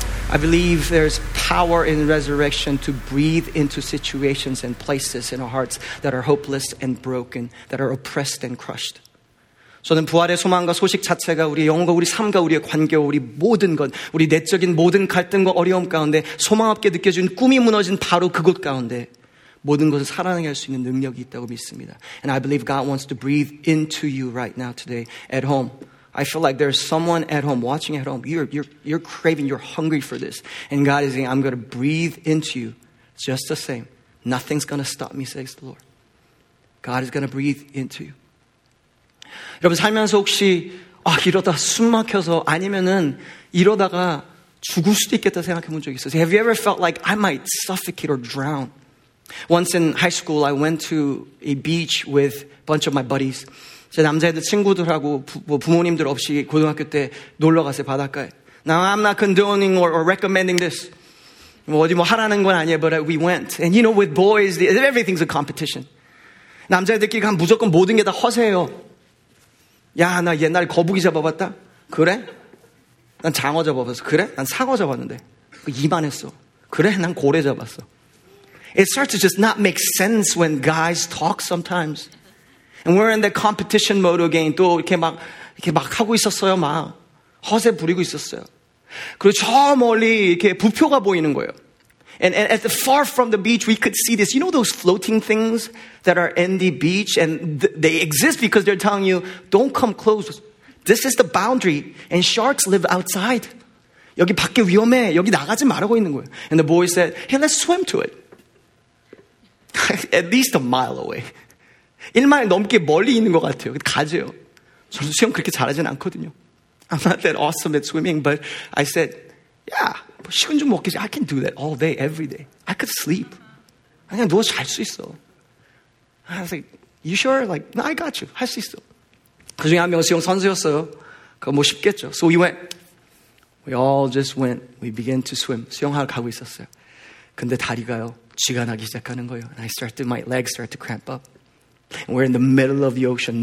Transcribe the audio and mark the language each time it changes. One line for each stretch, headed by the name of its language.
English: I believe there's power in resurrection to breathe into situations and places in our hearts that are hopeless and broken, that are oppressed and crushed.
Korean: 저는 부활의 소망과 소식 자체가 우리의 영혼과 우리 삶과 우리의 관계와 우리 모든 것, 우리 내적인 모든 갈등과 어려움 가운데 소망 없게 느껴진 꿈이 무너진 바로 그곳 가운데 모든 것을 살아나게 할 수 있는 능력이 있다고 믿습니다.
English: And I believe God wants to breathe into you right now today at home. I feel like there's someone at home, watching at home. You're craving, you're hungry for this. And God is saying, I'm going to breathe into you just the same. Nothing's going to stop me, says the Lord. God is going to breathe into you.
Korean: 여러분 살면서 혹시 아 이러다 숨 막혀서 아니면은 이러다가 죽을 수도 있겠다 생각해 본 적 있어요?
English: Have you ever felt like I might suffocate or drown? Once in high school, I went to a beach with a bunch of my buddies.
Korean: 제 남자애들 친구들하고 뭐 부모님들 없이 고등학교 때 놀러 갔어요 바닷가에.
English: Now I'm not condoning or recommending this.
Korean: 뭐 어디 뭐 하라는 건 아니에요.
English: But we went. And you know, with boys, everything's a competition.
Korean: 남자애들끼리 가면 무조건 모든 게 다 허세예요. 야, 나 옛날에 거북이 잡아봤다? 그래? 난 장어 잡아봤어. 그래? 난 상어 잡았는데. 이만했어. 그래? 난 고래 잡았어.
English: It starts to just not make sense when guys talk sometimes. And we're in the competition mode again.
Korean: 또 이렇게 막 하고 있었어요, 막. 허세 부리고 있었어요. 그리고 저 멀리 이렇게 부표가 보이는 거예요.
English: And at the far from the beach, we could see this. You know those floating things that are in the beach? And they exist because they're telling you, don't come close. This is the boundary. And sharks live outside.
Korean: 여기 밖에 위험해. 여기 나가지 말라고 있는 거예요.
English: And the boy said, hey, let's swim to it. At least a mile away.
Korean: 1마일 넘게 멀리 있는 것 같아요. 가세요. 저도 수영 그렇게 잘하진 않거든요.
English: I'm not that awesome at swimming, but I said, yeah.
Korean: 식은 좀 먹겠지.
English: I can do that all day, every day. I could sleep.
Korean: 그냥 누워 잘 수 있어.
English: I was like, you sure? Like, no, I got you.
Korean: 할 수 있어. 그 중에 한 명 수영 선수였어요. 그거 뭐 쉽겠죠.
English: So we went. We all just went. We began to swim.
Korean: 수영하러 가고 있었어요. 근데 다리가요. 쥐가 나기 시작하는 거예요.
English: And I started, my legs start to cramp up. And we're in the middle of the ocean.